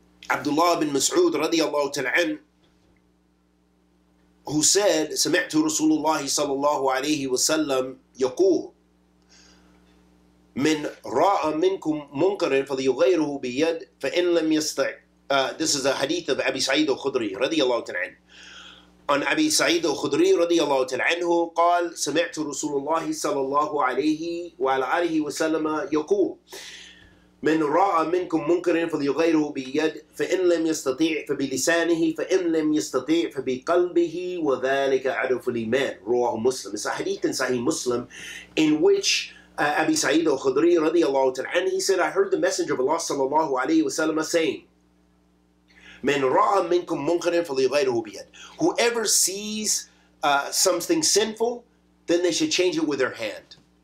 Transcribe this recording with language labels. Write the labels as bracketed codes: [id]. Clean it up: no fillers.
[ar] Abdullah ibn Mas'ud radiallahu ta'ala anhu, [en] who said, [ar] سمعت رسول الله صلى الله عليه وسلم يقول من راى منكم منكرا فليغيره بيد فان لم يستع. [en] This is a hadith of Abi Sa'id al-Khudri [ar] رضي الله تعالى عنه. عن أبي سعيد الخدري رضي الله تعالى عنه قال سمعت رسول الله صلى الله عليه وعلى آله وسلم يقول من راى منكم منكرا فليغيره بيد فان لم يستطع فبلسانه فان لم يستطع فبقلبه وذلك عدو الايمان رواه مسلم. [en] It's a hadith in Sahih Muslim in which Abi Sa'id al-Khudri radiallahu ta'ala, and he said, I heard the Messenger of Allah sallallahu alayhi wa sallam saying, [ar] من راى منكم منكرا فليغيره بيد. [en] Whoever sees something sinful, then they should change it with their hand.